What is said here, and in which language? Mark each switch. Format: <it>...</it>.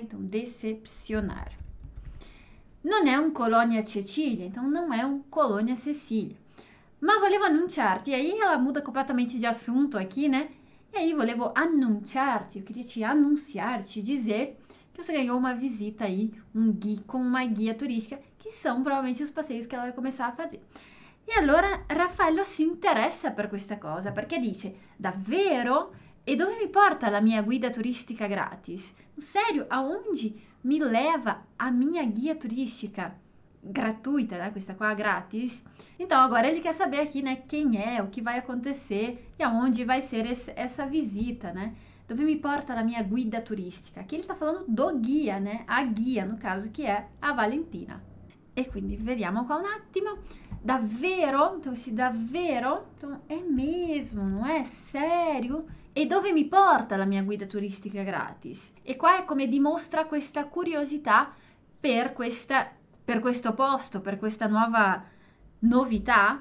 <pt>Então, decepcionar.</pt> <it>Non è un Colonia Cecilia,</it> <pt>então não é um Colonia Cecilia.</pt> <it>Ma volevo annunciarti,</it> <pt>e aí ela muda completamente de assunto aqui, né? E aí,</pt> <it>volevo annunciarti,</it> <pt>eu queria te anunciar, te dizer que você ganhou uma visita aí, um guia com uma guia turística, que são provavelmente os passeios que ela vai começar a fazer.</pt> <it>E allora, Raffaello si interessa per questa cosa, perché dice, davvero? E dove mi porta la mia guida turistica gratis?</it> <pt>Sério, aonde mi leva a minha guia turistica gratuita, né?</pt> <it>Questa qua, gratis.</it> <pt>Então, agora ele quer saber aqui, né? Quem é, o que vai acontecer e aonde vai ser essa visita, né?</pt> <it>Dove mi porta la mia guida turistica?</it> <pt>Aqui ele tá falando do guia, né? A guia, no caso, que é a Valentina.</pt> <it>E quindi, vediamo qua un attimo.</it> <pt>Davvero? Então, se davvero? Então, é mesmo, não é? Sério?</pt> <it>E dove mi porta la mia guida turistica gratis? E qua è come dimostra questa curiosità per questo posto, per questa nuova novità.</it>